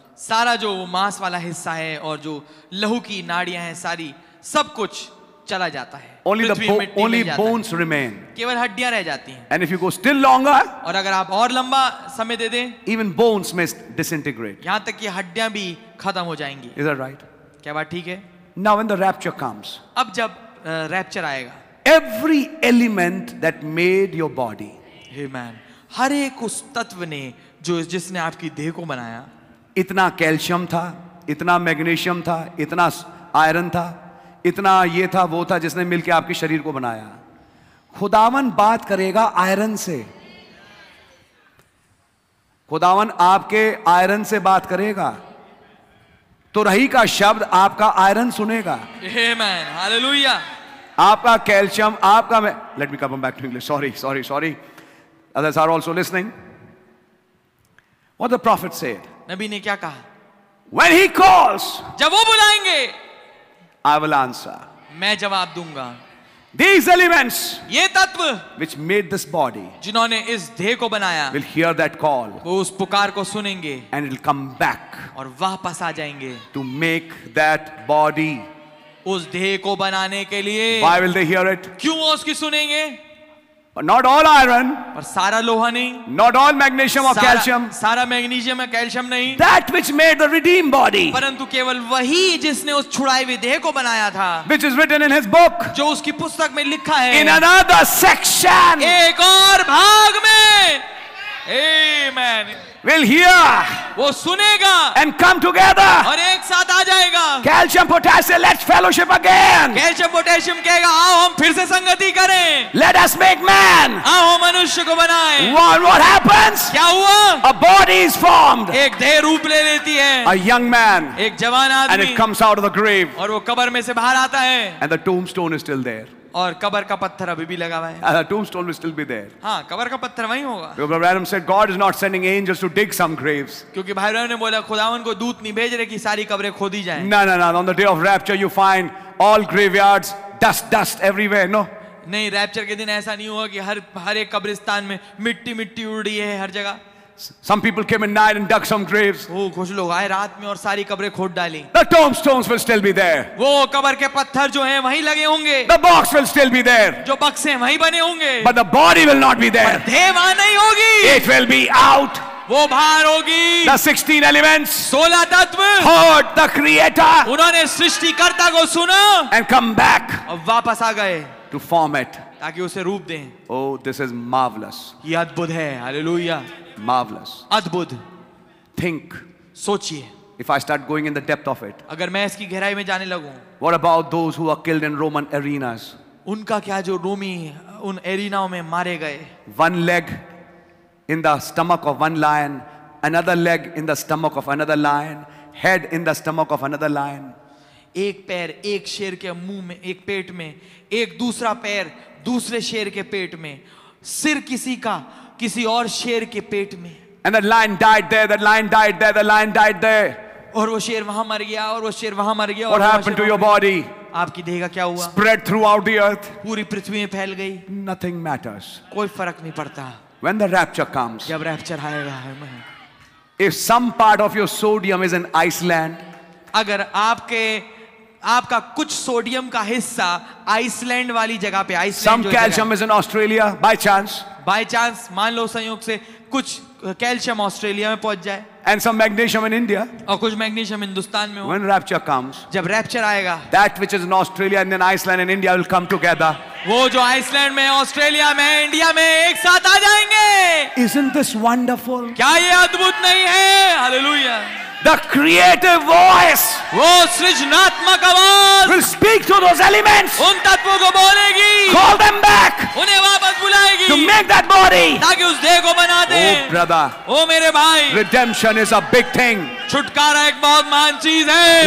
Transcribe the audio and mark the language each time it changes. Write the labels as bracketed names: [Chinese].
[Hindi] सारा जो मांस वाला हिस्सा है और जो लहू की नाड़ियां हैं सारी, सब कुछ चला जाता है. [English] Only bones remain. [Hindi] केवल हड्डियां रह जाती हैं. [English] And if you go still longer, [Hindi] और अगर आप और लंबा समय दे दें, [English] even bones may disintegrate. [Hindi] यहाँ तक कि हड्डियां भी खत्म हो जाएंगी. [English] Is that right? [Hindi] क्या बात ठीक है? [English] Now when the rapture comes, [Hindi] अब जब रैप्चर आएगा, [English] every element that made your body, Amen. [Hindi] हर एक उस तत्व ने जो जिसने आपकी देह को बनाया, इतना कैल्शियम था, इतना मैग्नीशियम था, इतना आयरन था, इतना ये था वो था जिसने मिलके आपके शरीर को बनाया. खुदावन बात करेगा आयरन से. खुदावन आपके आयरन से बात करेगा. तुरही का शब्द आपका आयरन सुनेगा. [English] Amen. Hallelujah. [Hindi] आपका कैल्शियम, आपका [English] Let me come back to English. Sorry sorry sorry. Others are also listening. What the prophet said? [Hindi] Nabi ne kya kaha? [English] When he calls, [Hindi] jab wo bulayenge, [English] I will answer. [Hindi] Main jawab dunga. [English] These elements, [Hindi] ye tatv, [English] which made this body, [Hindi] jinhone is deh ko banaya, [English] will hear that call. [Hindi] Wo us pukar ko sunenge, [English] and it'll come back. [Hindi] Aur wapas aa jayenge. [English] To make that body, [Hindi] us deh ko banane ke liye. [English] Why will they hear it? [Hindi] Kyun wo uski sunenge? [English] Not all iron, [Hindi] पर सारा लोहा नहीं. [English] Not all magnesium or calcium, [Hindi] सारा magnesium या calcium नहीं. [English] That which made the redeemed body, [Hindi] परंतु केवल वही जिसने उस छुड़ाए हुए देह को बनाया था. [English] Which is written in his book, [Hindi] जो उसकी पुस्तक में लिखा है. [English] In another section, [Hindi] एक और भाग में. Amen. [English] Will hear, [Hindi] वो सुनेगा. [English] And come together, [Hindi] और एक साथ आ जाएगा. [English] Calcium, potassium, let's fellowship again. [Hindi] Calcium, potassium कहेगा, आओ हम फिर से संगति करें. [English] Let us make man, [Hindi] आओ मनुष्य को बनाएं. [English] What happens? [Hindi] क्या हुआ? [English] A body is formed, [Hindi] एक देह रूप ले लेती है. [English] A young man, [Hindi] एक जवान आदमी. [English] And it comes out of the grave, [Hindi] और वो कब्र में से बाहर आता है. [English] And the tombstone is still there. [Hindi] और कबर का पत्थर अभी भी लगा हुआ है. [English] The tombstone will still be there. [Hindi] हाँ, कबर का पत्थर वहीं होगा. [English] Brother Branham said, God is not sending angels to dig some graves. [Hindi] क्योंकि भाई ब्रैनम ने बोला, खुदावन को दूत नहीं भेज रहे कि सारी कबरें खोदी जाएं. [English] No, no, no. On the day of rapture, you find all graveyards dust, dust everywhere. No. [Hindi] नहीं, रैप्चर के दिन ऐसा नहीं होगा कि हर एक कब्रिस्तान में मिट्टी मिट्टी उड़ रही है हर जगह. [English] Some people came at night and dug some graves. [Hindi] Oh, कुछ लोग आए रात में और सारी कब्रें खोद डाली. [English] The tombstones will still be there. [Hindi] वो कब्र के पत्थर जो हैं वहीं लगे होंगे. [English] The box will still be there. [Hindi] जो बक्से हैं वहीं बने होंगे. [English] But the body will not be there. [Hindi] देह वहाँ नहीं होगी. [English] It will be out. [Hindi] वो बाहर होगी. [English] The 16 elements, [Hindi] 16 तत्व, [English] heard the creator, [Hindi] उन्होंने सृष्टिकर्ता को सुना. [English] And come back, [Hindi] और वापस आ गए. [English] To form it, [Hindi] ताकि उसे रूप दें. [English] Oh, this is marvelous. [Hindi] ये अद्भुत है. Hallelujah. [English] Marvelous. [Hindi] अद्भुत. [English] Think. [Hindi] सोचिए. [English] If I start going in the depth of it, [Hindi] अगर मैं इसकी गहराई में जाने लगूं, [English] what about those who are killed in Roman arenas? [Hindi] उनका क्या जो रोमी उन एरिनाओं में मारे गए? [English] One leg in the stomach of one lion, another leg in the stomach of another lion, head in the stomach of another lion. [Hindi] एक पैर एक शेर के मुंह में, एक पेट में, एक दूसरा पैर दूसरे शेर के पेट में, सिर किसी का किसी और शेर के पेट में. [English] And the lion died there, the lion died there, the lion died there. [Hindi] और वो शेर वहां मर गया, और वो शेर वहां मर गया. [English] What happened to your body? [Hindi] आपकी देह का क्या हुआ? [English] Spread throughout the earth. [Hindi] पूरी पृथ्वी में फैल गई. [English] Nothing matters. [Hindi] कोई फर्क नहीं पड़ता. [English] When the rapture comes, [Hindi] जब रैप्चर आएगा, हमें. [English] If some part of your sodium is in Iceland, [Hindi] अगर आपके आपका कुछ सोडियम का हिस्सा आइसलैंड वाली जगह पे, आइसलैंड [English] जो calcium is in Australia, [Hindi] by chance मान लो संयोग से कुछ कैल्शियम ऑस्ट्रेलिया में पहुंच जाए, [English] and some magnesium in India, [Hindi] और कुछ मैग्नीशियम हिंदुस्तान में हो. [English] when rapture comes, [Hindi] जब रैप्चर आएगा, [English] That which is in Australia and then Iceland and India will come together. [Hindi] वो जो आइसलैंड में, ऑस्ट्रेलिया में, इंडिया में एक साथ आ जाएंगे. [English] Isn't this wonderful? [Hindi] क्या ये अद्भुत नहीं है? हालेलुया. [English] The creative voice, [Hindi] वो सृजनात्मक आवाज, [English] will speak to those elements, [Hindi] उन तत्वों को बोलेगी, [English] call them back, [Hindi] उन्हें वापस बुलाएगी, [English] to make that body, [Hindi] ताकि उस देह को बना दे. [English] Oh brother, [Hindi] oh मेरे भाई, [English] redemption is a big thing, [Hindi] छुटकारा एक बहुत महान चीज है.